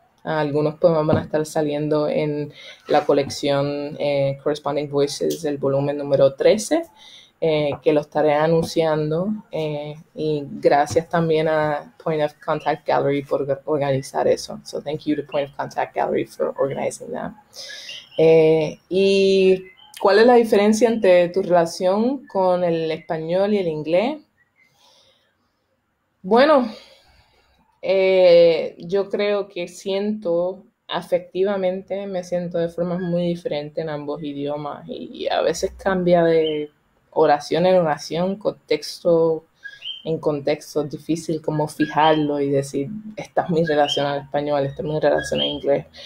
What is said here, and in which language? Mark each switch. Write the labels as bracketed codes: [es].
[es] Algunos poemas van a estar saliendo en la colección Corresponding Voices, el volumen número 13, que lo estaré anunciando. Y gracias también a Point of Contact Gallery por organizar eso. [en] So thank you to Point of Contact Gallery for organizing that. [es] ¿Y cuál es la diferencia entre tu relación con el español y el inglés? Bueno, yo creo que siento, afectivamente, me siento de forma muy diferente en ambos idiomas y a veces cambia de oración en oración, contexto en contexto, difícil como fijarlo y decir, esta es mi relación al español, esta es mi relación al inglés.